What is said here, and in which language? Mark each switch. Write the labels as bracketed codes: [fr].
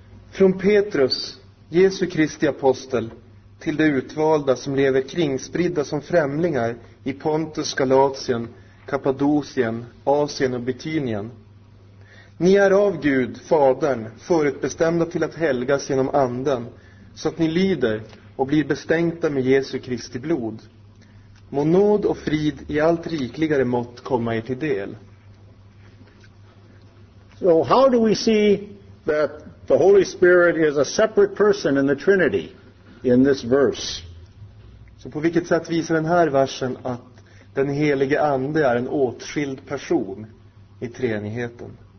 [sv] Från Petrus, Jesu Kristi apostel, till de utvalda som lever kringspridda som främlingar i Pontus, Galatien, Kappadokien, Asien och Bitynien. Ni är av Gud, Fadern, förutbestämda till att helgas genom anden, så att ni lyder och blir bestänkta med Jesu Kristi blod. Må nåd och frid i allt rikligare mått komma er till del. [en] So how do we see that the Holy Spirit is a separate person in the Trinity in this verse? [sv] Så på vilket sätt visar den här versen att den helige ande är en åtskild person i treenigheten?